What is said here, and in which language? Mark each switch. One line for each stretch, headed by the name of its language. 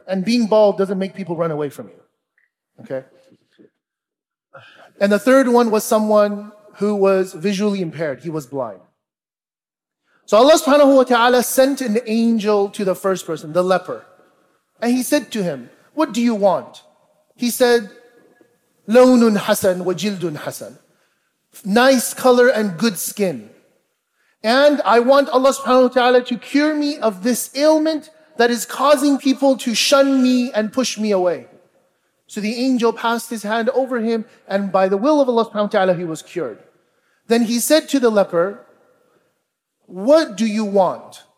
English: And being bald doesn't make people run away from you. Okay? And the third one was someone who was visually impaired. He was blind. So Allah subhanahu wa ta'ala sent an angel to the first person, the leper. And he said to him, what do you want? He said,
Arabic: لَوْنٌ حَسَنٌ وَجِلْدٌ حَسَنٌ.
English: Nice color and good skin. And I want Allah subhanahu wa ta'ala to cure me of this ailment that is causing people to shun me and push me away. So the angel passed his hand over him, and by the will of Allah subhanahu wa ta'ala, he was cured. Then he said to the leper, what do you want?